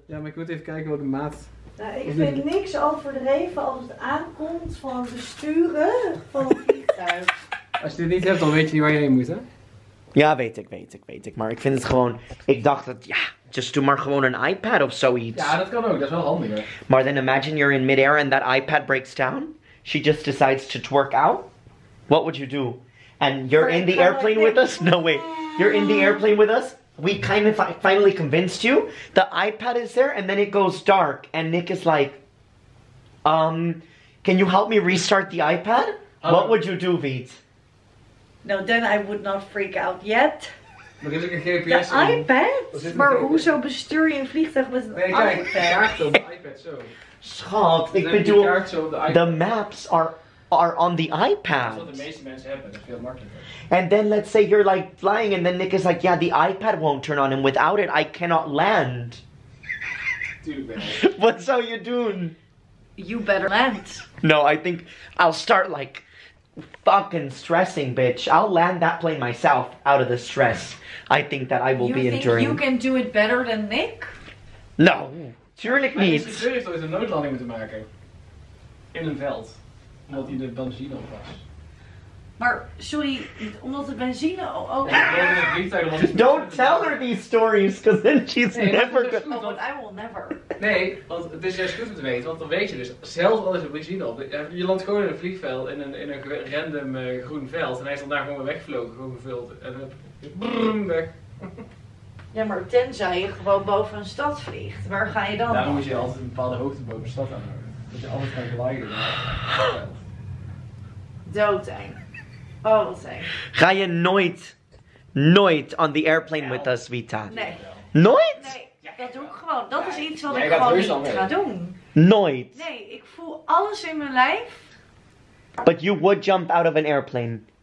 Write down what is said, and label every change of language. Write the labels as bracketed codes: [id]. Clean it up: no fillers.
[nl] Ja, maar ik moet even kijken wat de maat. Nou, ik vind niks overdreven als het aankomt van het besturen van het vliegtuig. Als je dit niet hebt, dan weet je niet waar je heen moet, hè? Ja, weet ik. Maar ik vind het gewoon, ik dacht dat, ja. [en] Just do [nl] maar gewoon an iPad of zoiets. Ja, dat kan ook. Dat is wel handiger. Maar [en] then imagine you're in midair and that iPad breaks down. She just decides to twerk out. What would you do? And you're in the airplane with us? No, wait. You're in the airplane with us? We kind of finally convinced you. The iPad is there and then it goes dark. And Nick is like, can you help me restart the iPad? What would you do, Viet? No, then I would not freak out yet. [nl] Maar dit is een GPS. Een iPad? Maar hoezo bestuur je een vliegtuig met een iPad? Nee, kijk, kaart op de iPad zo. Schat, ik bedoel, de maps [en] are on the iPad. [nl] Dat is wat de meeste mensen hebben, dat is veel makkelijker. [en] And then let's say you're like flying and then Nick is like, yeah, the iPad won't turn on and without it I cannot land. Dude, what [nl] zou je doen? [en] You better land. No, I think I'll start like fucking stressing, bitch. I'll land that plane myself out of the stress. I think that I will you be enduring. You think you can do it better than Nick? [nl] No. Tuurlijk niet. Ik heb het een noodlanding moeten maken. In een veld. Omdat hij de benzine op was. Maar, sorry, omdat de benzine ook. [en] Don't tell her these stories, because then she's never good. Oh, but I will never. [nl] Nee, want het is juist goed om te weten, want dan weet je dus, zelfs al is er benzine op, je landt gewoon in een vliegveld, in een random groen veld, en hij is dan daar gewoon weer weggevlogen, gewoon gevuld, en brrrm, weg. Ja, maar tenzij je gewoon boven een stad vliegt, waar ga je dan? Nou, dan moet je altijd een bepaalde hoogte boven de stad aanhouden, dat je anders kan glijden. Doodeng. Oh, ga je nooit [en] on the airplane with us, Vita? [nl] Nee. Nooit? Nee, dat doe ik gewoon. Dat is iets wat ik gewoon niet ga doen. Nooit? Nee, ik voel alles in mijn lijf. [en] But you would jump out of an airplane?